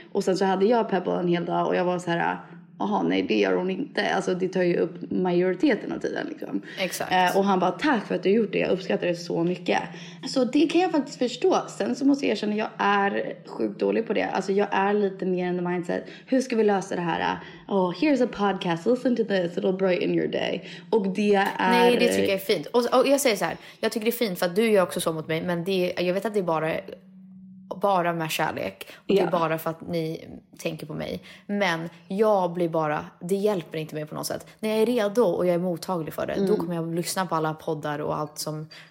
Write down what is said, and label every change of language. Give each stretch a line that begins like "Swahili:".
Swedish: Och sen så hade jag Pebble en hel dag. Och jag var så här, aha nej det gör hon inte. Alltså det tar ju upp majoriteten av tiden liksom. Exakt. Och han bara, tack för att du gjort det. Jag uppskattar det så mycket. Så det kan jag faktiskt förstå. Sen så måste jag erkänna att jag är sjukt dålig på det. Alltså jag är lite mer
English: in the mindset.
Swedish: Hur ska vi lösa det här?
English: Oh, here's a podcast, listen to this, it'll brighten your day.
Swedish: Och det är... Nej, det tycker jag är fint. Och jag säger så här, jag tycker det är fint för att du gör också så mot mig. Men det, jag vet att det är bara med kärlek. Och det är bara för att ni tänker på mig. Men jag blir bara... Det hjälper inte mig på något sätt. När jag är redo och jag är mottaglig för det, då kommer jag lyssna på alla poddar och allt som...